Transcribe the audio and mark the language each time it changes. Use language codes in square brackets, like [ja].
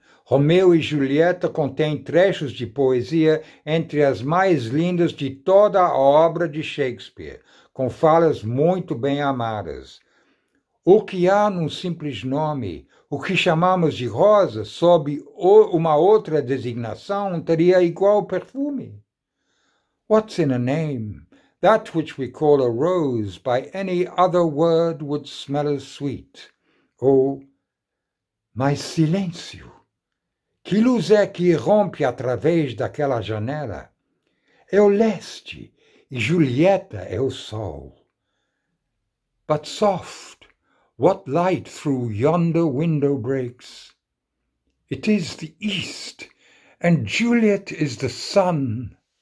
[pt] Romeu e Julieta contém trechos de poesia entre as mais lindas de toda a obra de Shakespeare, com falas muito bem amadas. O que há num simples nome? O que chamamos de rosa, sob uma outra designação, teria igual perfume? [en] What's in a name? That which we call a rose by any other word would smell as sweet. [pt] Oh, mas silêncio! Que luz é que rompe através daquela janela? É o leste, e Julieta é o sol. [en] But soft, what light through yonder window breaks? It is the east, and Juliet is the sun.